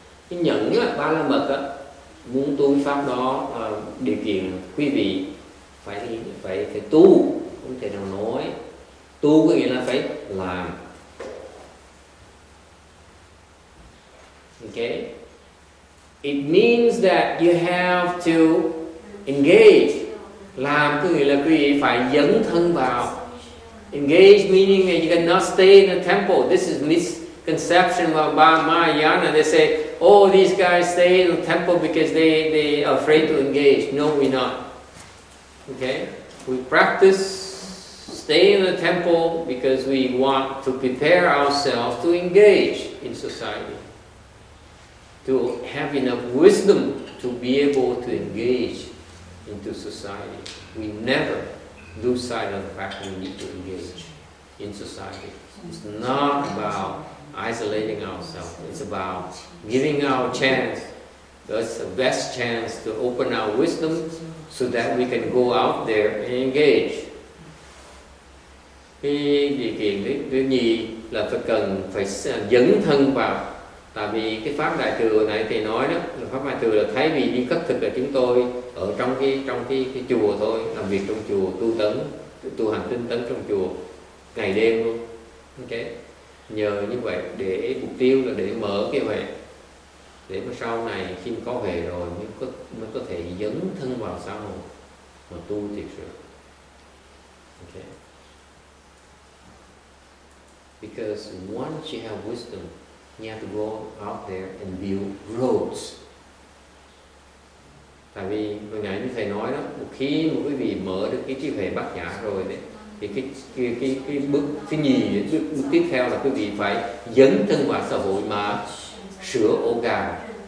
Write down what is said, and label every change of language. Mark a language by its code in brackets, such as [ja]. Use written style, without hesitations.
[vi] Cái nhẫn là ba la mật á, muốn tu pháp đó, điều kiện quý vị phải tu, không thể nào nói. Tu có nghĩa là phải làm. [en] Okay? It means that you have to engage. [vi] Làm có nghĩa là quý vị phải dấn thân vào. [en] Engage meaning that you cannot stay in a temple. This is misconception about Mahayana. They say, oh, these guys stay in the temple because they are afraid to engage. No, we're not. Okay? We practice, stay in the temple because we want to prepare ourselves to engage in society. To have enough wisdom to be able to engage into society. We never lose sight of the fact we need to engage in society. It's not about isolating ourselves. It's about giving our chance. That's the best chance to open our wisdom so that we can go out there and engage. [vi] Cái điều kiện thứ nhì là phải cần phải dẫn thân vào. Tại vì cái pháp đại thừa này thì nói đó, pháp đại thừa là thay vì đi khất thực là chúng tôi ở trong cái chùa thôi, làm việc trong chùa, tu tấn, tu hành tinh tấn trong chùa ngày đêm luôn. Okay. Nhờ như vậy để mục tiêu là để mở cái huệ, để mà sau này khi có huệ rồi mới có thể dấn thân vào xã hội mà tu thiệt sự. [en] Okay. Because once you have wisdom, you have to go out there and build roads. [vi] Tại vì hồi nãy như thầy nói đó, một khi mà quý vị mở được cái trí huệ bát nhã rồi đấy, thì cái bước thứ nhì, bước tiếp theo là quý vị phải dấn thân vào xã hội mà sửa ô gà.